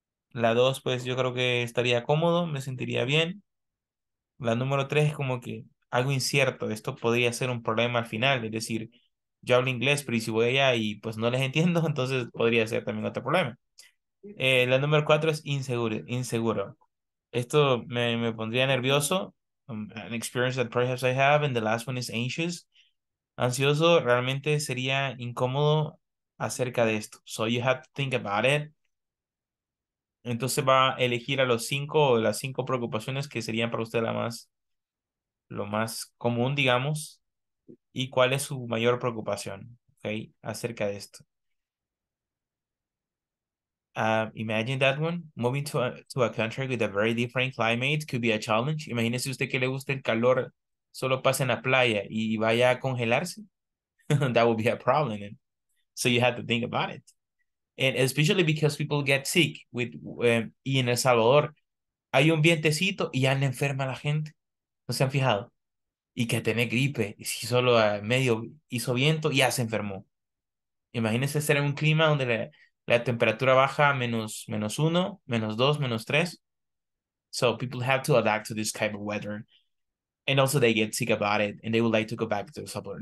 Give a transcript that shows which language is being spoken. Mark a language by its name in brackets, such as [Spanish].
[Spanish] La 2, pues, yo creo que estaría cómodo, me sentiría bien. La número 3 es como que algo incierto, esto podría ser un problema al final, es decir, yo hablo inglés, pero si voy allá y pues no les entiendo, entonces podría ser también otro problema. La número 4 es inseguro. Esto me pondría nervioso, [English] an experience that perhaps I have, and the last one is anxious. [Spanish] Ansioso, realmente sería incómodo acerca de esto. [English] So you have to think about it. [Spanish] Entonces va a elegir a los 5 o las 5 preocupaciones que serían para usted lo más común, digamos, y cuál es su mayor preocupación, okay, acerca de esto. [English] Imagine that one, moving to a country with a very different climate could be a challenge. [Spanish] Imagínese usted que le gusta el calor, solo pase en la playa y vaya a congelarse. [English] That would be a problem. And so you have to think about it. And especially because people get sick with [Spanish] y en El Salvador hay un vientecito y ya le enferma a la gente. ¿No se han fijado? Y que tiene gripe, y si solo a medio hizo viento, ya se enfermó. Imagínense ser en un clima donde la temperatura baja a -1, -2, -3. [English] So people have to adapt to this kind of weather. And also they get sick about it, and they would like to go back to the suburb.